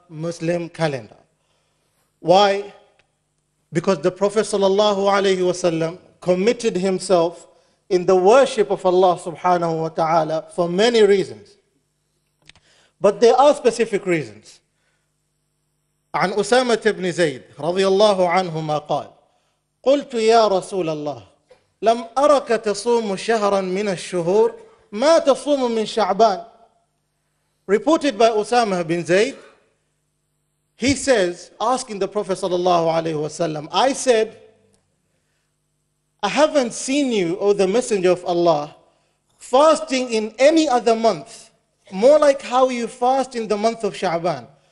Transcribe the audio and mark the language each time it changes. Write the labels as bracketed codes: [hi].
[en] Muslim calendar. Why? Because the Prophet sallallahu alayhi wasallam committed himself in the worship of Allah subhanahu wa ta'ala for many reasons. But there are specific reasons. [ar] عن أسامة بن زيد رضي الله عنهما قال قلت يا رسول الله لم أرك تصوم شهرا من الشهور ما تصوم من شعبان. [en] Reported by Usama bin Zayd, he says, asking the Prophet sallallahu alayhi wasallam, I said, I haven't seen you, O the Messenger of Allah, fasting in any other month, more like how you fast in the month of Sha'ban.